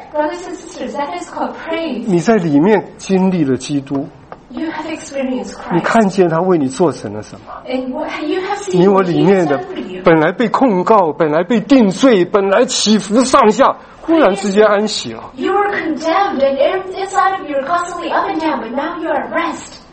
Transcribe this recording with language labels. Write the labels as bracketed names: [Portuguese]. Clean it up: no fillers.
[English] Brothers and sisters, that is called praise. [Chinese] 你在里面经历了基督。 [English] You have experienced Christ. [Chinese] 你看见他为你做成了什么。 [English] And what you have seen. [Chinese] 你我里面的本来被控告，本来被定罪，本来起伏上下，忽然之间安息了。 [English] You are condemned and inside of you are constantly up and down, but now you are at rest.